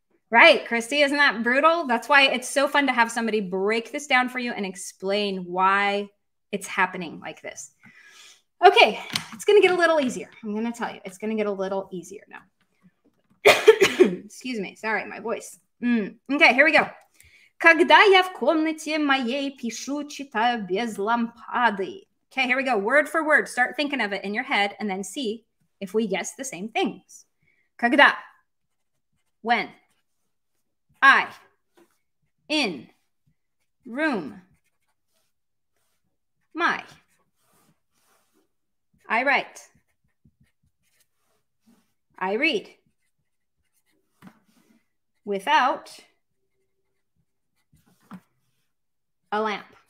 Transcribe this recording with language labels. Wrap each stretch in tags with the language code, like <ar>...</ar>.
<en>Right, Christy, isn't that brutal? That's why it's so fun to have somebody break this down for you and explain why it's happening like this. Okay, it's going to get a little easier. I'm going to tell you, it's going to get a little easier now. Excuse me, sorry, my voice. Okay, here we go.</en> <ru>Когда я в комнате моей пишу, читаю без лампады.</ru> <en>Okay, here we go. Word for word. Start thinking of it in your head and then see if we guess the same things. Когда. When. I, in, room, my, I write, I read, without a lamp.</en>